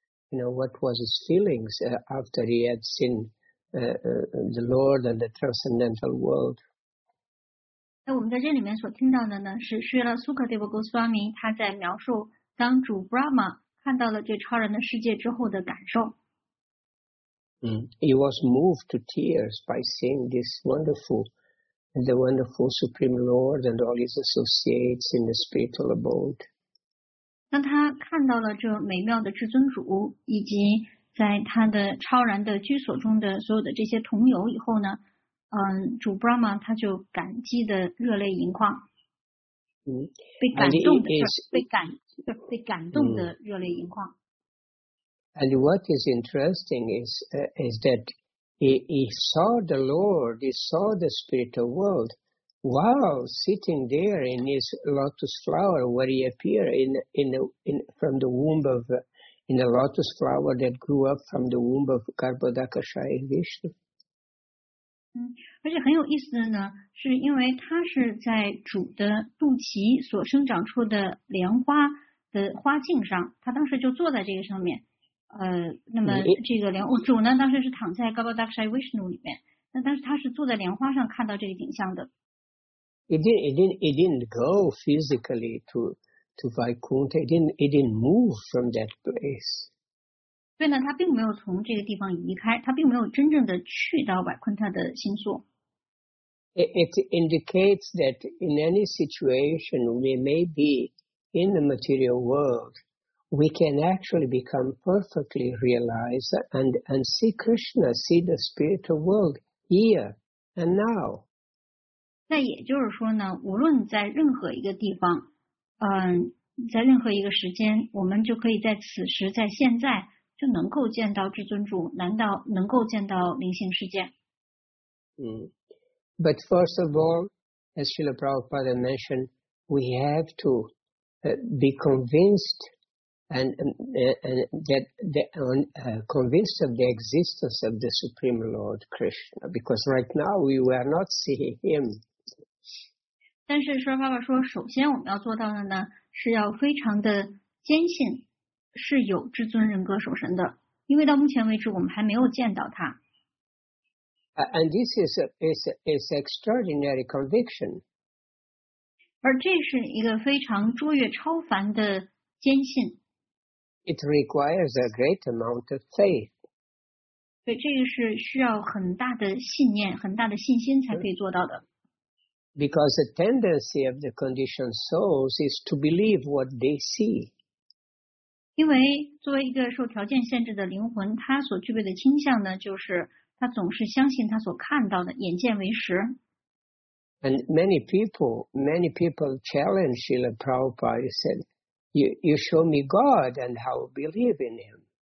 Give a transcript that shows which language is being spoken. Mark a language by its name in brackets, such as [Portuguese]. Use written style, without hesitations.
[English] You know, what was his feelings after he had seen the Lord and the transcendental world? [Chinese] 在我们在这里面所听到的呢，是释迦苏克德沃 Goswami 他在描述当主 Brahma 看到了这超人的世界之后的感受。 [English] He was moved to tears by seeing this wonderful Supreme Lord and all his associates in the spiritual abode. [Chinese] 当他看到了这美妙的至尊主以及在他的超然的居所中的所有的这些同友以后呢，主 Brahma 他就感激的热泪盈眶，被感动的热泪盈眶。 [English] And what is interesting is that he saw the Lord, he saw the spiritual world. While sitting there in his lotus flower, where he appeared in the lotus flower that grew up from the womb of Garbhodakshaya Vishnu. [Chinese] 而且很有意思的呢，是因为他是在主的肚脐所生长出的莲花的花茎上，他当时就坐在这个上面。那么这个莲花主呢，当时是躺在 Garbhodakshaya Vishnu 里面，那但是他是坐在莲花上看到这个景象的。 [English] He didn't go physically to Vaikuntha. He didn't move from that place. [Chinese] 所以呢，他并没有从这个地方移开，他并没有真正的去到瓦昆塔的新宿。 [English] It indicates that in any situation we may be in the material world, we can actually become perfectly realized and see Krishna, see the spiritual world here and now. [Chinese] 那也就是说呢，无论在任何一个地方，在任何一个时间，我们就可以在此时，在现在。就能够见到至尊主，难道能够见到灵性世界？ [English] But first of all, as Srila Prabhupada mentioned, we have to be convinced convinced of the existence of the Supreme Lord Krishna, because right now we are not seeing him. [Chinese] 但是说爸爸说，首先我们要做到的呢，是要非常的坚信。是有至尊人格守神的，因为到目前为止我们还没有见到他。 [English] And this is extraordinary conviction. [Chinese] 而这是一个非常卓越超凡的坚信。 [English] It requires a great amount of faith. [Chinese] 对，这个是需要很大的信念，很大的信心才可以做到的。 [English] Because the tendency of the conditioned souls is to believe what they see. [Chinese] 因为作为一个受条件限制的灵魂，他所具备的倾向呢，就是他总是相信他所看到的，眼见为实。 [English] And many people challenge Srila Prabhupada. You said, "You show me God, and how I believe in Him."